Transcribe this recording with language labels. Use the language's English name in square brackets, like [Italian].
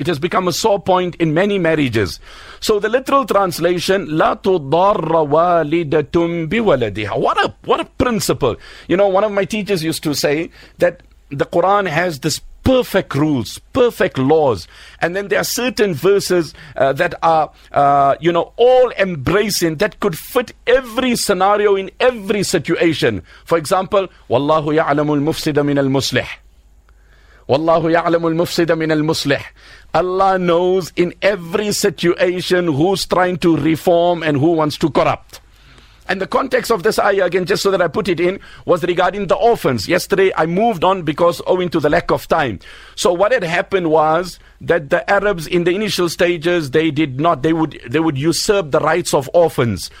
[English] It has become a sore point in many marriages. So the literal translation, [Arabic] لا تضار والدتم بولدها. [English] What a principle. You know, one of my teachers used to say that the Quran has this perfect rules, perfect laws. And then there are certain verses that are, all embracing, that could fit every scenario in every situation. For example, [Arabic] وَاللَّهُ يَعْلَمُ الْمُفْسِدَ مِنَ الْمُصْلِحِ وَاللَّهُ يَعْلَمُ الْمُفْسِدَ مِنَ الْمُصْلِحِ. [English] Allah knows in every situation who's trying to reform and who wants to corrupt. And the context of this ayah, again, just so that I put it in, was regarding the orphans. Yesterday, I moved on because owing to the lack of time. So what had happened was that the Arabs in the initial stages, they would usurp the rights of orphans.